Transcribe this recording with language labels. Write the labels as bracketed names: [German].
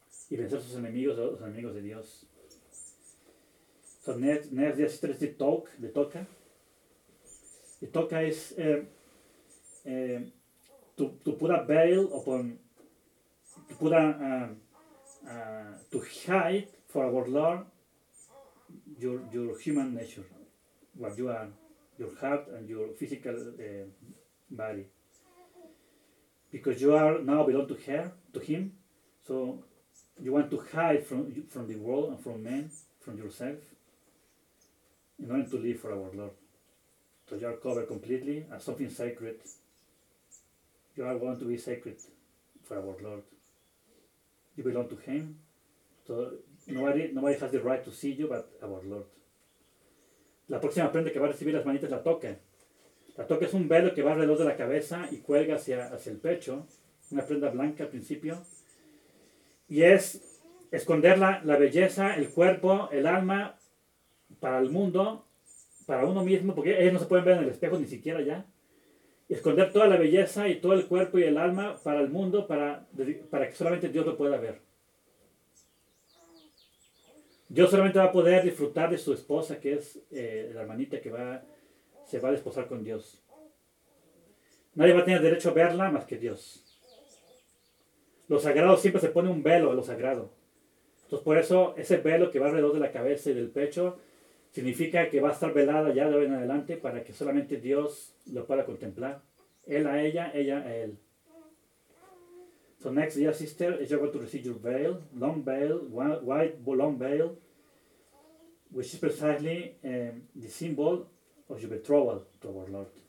[Spanish] Y vencer a sus enemigos, a los enemigos de Dios. [English] So next year, sister, is the toque, the toca. The toca is to put a veil upon, to put a to hide for our Lord your human nature, what you are, your heart and your physical body. Because you are now belong to her, to him, so you want to hide from the world and from men, from yourself, in order to live for our Lord. So you are covered completely as something sacred. You are going to be sacred for our Lord. You belong to him. So nobody has the right to see you but our Lord. [Spanish] La próxima prenda que va a recibir las manitas, la toca. La toca es un velo que va alrededor de la cabeza y cuelga hacia el pecho. Una prenda blanca al principio. Y es esconder la belleza, el cuerpo, el alma, para el mundo, para uno mismo, porque ellos no se pueden ver en el espejo ni siquiera ya. Y esconder toda la belleza y todo el cuerpo y el alma para el mundo, para que solamente Dios lo pueda ver. Dios solamente va a poder disfrutar de su esposa, que es la hermanita que se va a desposar con Dios. Nadie va a tener derecho a verla más que Dios. Lo sagrado, siempre se pone un velo a lo sagrado. Entonces, por eso, ese velo que va alrededor de la cabeza y del pecho significa que va a estar velada ya de hoy en adelante para que solamente Dios lo pueda contemplar. Él a ella, ella a él. [English] So next year, sister, you're going to receive your veil, long veil, white long veil, which is precisely the symbol of your betrothal to our Lord.